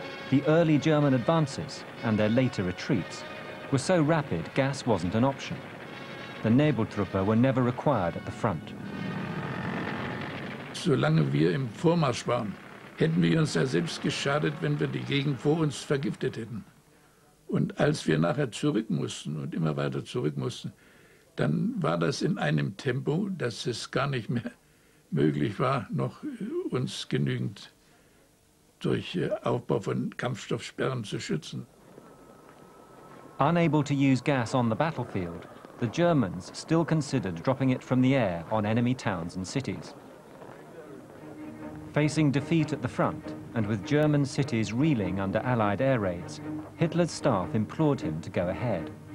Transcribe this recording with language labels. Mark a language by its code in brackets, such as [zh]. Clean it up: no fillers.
[en] The early German advances and their later retreats were so rapid gas wasn't an option. The Nebeltruppe were never required at the front. [de] Solange wir im Vormarsch waren, hätten wir uns ja selbst geschadet, wenn wir die Gegend vor uns vergiftet hätten. Und als wir nachher zurück mussten und immer weiter zurück mussten, dann war das in einem Tempo, dass es gar nicht mehr möglich war, noch uns genügend durch Aufbau von Kampfstoffsperren zu schützen. [en] Unable to use gas on the battlefield, the Germans still considered dropping it from the air on enemy towns and cities. Facing defeat at the front and with German cities reeling under Allied air raids, Hitler's staff implored him to go ahead.